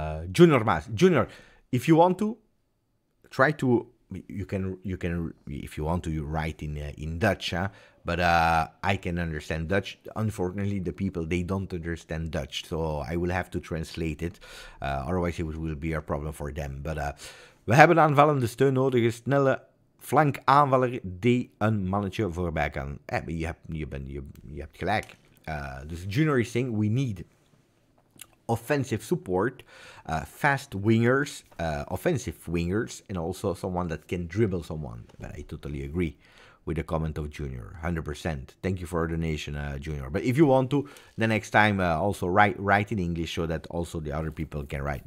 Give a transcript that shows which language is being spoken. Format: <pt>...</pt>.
<en>Junior, if you want to, try to, you can if you want to, you write in Dutch, huh? But I can understand Dutch. Unfortunately, the people, they don't understand Dutch, so I will have to translate it. Otherwise, it will be a problem for them. But</en> <nl>we hebben aanvallende steun nodig, een snelle flankaanvaller die een mannetje voorbij kan. Je hebt gelijk.</nl> <en>Dus Junior is saying we need offensive support, fast wingers, offensive wingers, and also someone that can dribble someone. But I totally agree with the comment of Junior, 100%. Thank you for your donation, Junior. But if you want to, the next time also write in English so that also the other people can write.</en>